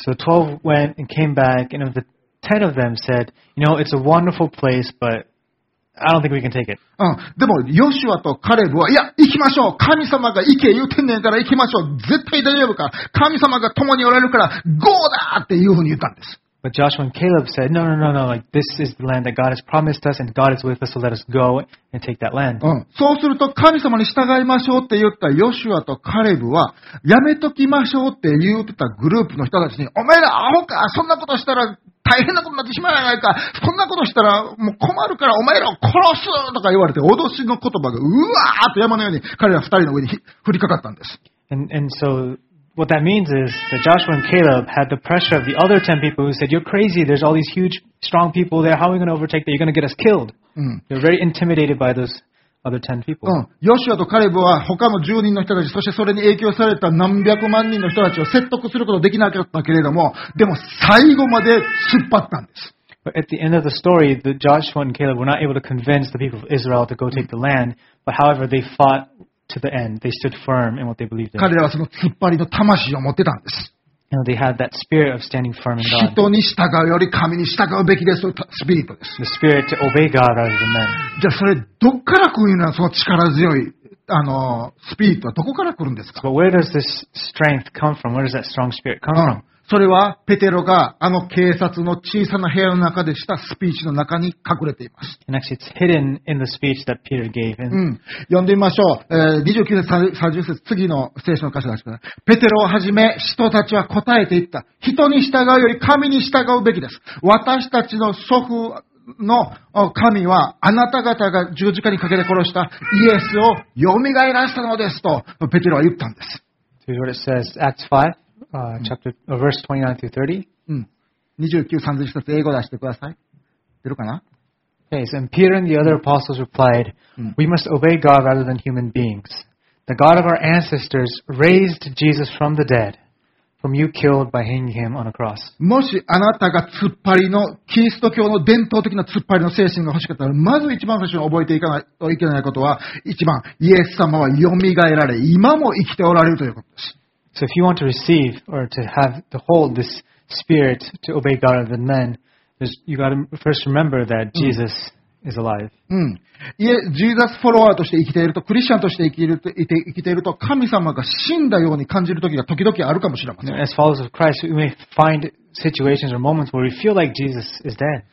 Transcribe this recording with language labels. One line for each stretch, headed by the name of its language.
English: So 12 went and came back, and the 10 of them said, you know, it's a wonderful place, but I don't think we can take it.
Japanese: うん。でも、ヨシュアとカレブは、いや、行きましょう。神様が行け言ってんねんから行きましょう。絶対大丈夫か。神様が共におられるから、ゴーだーっていうふうに言ったんです。
English: But Joshua and Caleb said, no, no, no, no, like, this is the land that God has promised us, and God is with us, so let us go and take that land.
Japanese: うん。そうすると、神様に従いましょうって言ったヨシュアとカレブは、やめときましょうって言ってたグループの人たちに、お前らアホか、そんなことしたら、大変なことになってしまうないか。こんなことしたらもう困るからお前らを殺すとか言われて脅しの言葉がうわーと山のように彼ら二人の上に降りかかったんです。
English: And so what that means is that Joshua and Caleb had the pressure of the other ten people who said, "You're crazy. There's all these huge, strong people there. How are we going to overtake that? You're going to get us killed." They're very intimidated by those. Other 10 people.
Japanese: うん、ヨシュアとカレブは他の10人の人たち、そしてそれに影響された何百万人の人たちを説得することができなかったけれども、でも最後まで突っ張ったんです。
English: But at the end of the story, the Joshua and Caleb were not able to convince the people of Israel to go take the land, but however, they fought to the end. They stood firm in what they believed in.
Japanese: 彼らはその突っ張りの魂を持ってたんです。
English: You know, they had that spirit of standing firm in God.
Japanese: 人に従うより神に従うべきですというスピリットです。
English: The spirit to obey God rather than men.
Japanese: じゃあそれどこから来るのはその力強いスピリットはどこから来るんですか
English: ？But where does this strength come from? Where does that strong spirit come from?、
Japanese: うん、それはペテロがあの警察の小さな部屋の中でしたスピーチの中に隠れています。
English: And actually, it's hidden in the speech that Peter gave.
Japanese: うん。読んでみましょう。 29節、30節、次の聖書の箇所出してください。ペテロをはじめ、人たちは答えていった。人に従うより神に従うべきです。私たちの祖父の神はあなた方が十字架にかけて殺したイエスを蘇らせたのですとペテロは言ったんです。
English: So what it says, Acts 5. Verse 29 through 30. 29, 30,
Japanese: 一つ英語出してください。出るかな?
English: Okay, so Peter and the other apostles replied, We must obey God rather than human beings. The God of our ancestors raised Jesus from the dead, from you killed by hanging him on a cross.
Japanese: もしあなたが突っ張りの、キリスト教の伝統的な突っ張りの精神が欲しかったら、まず一番最初に覚えていかないといけないことは、一番、イエス様は蘇られ、今も生きておられるということです。
English: So if you want to receive or to have to hold this spirit to obey God rather than men, you got to first remember that Jesus is alive. Jesus follower
Japanese: として生きていると、クリスチャンとして生きていると、神様が死んだように感じる時が時々あるかもしれません。
English: As followers of Christ, we may find situations or moments where we feel like Jesus is dead.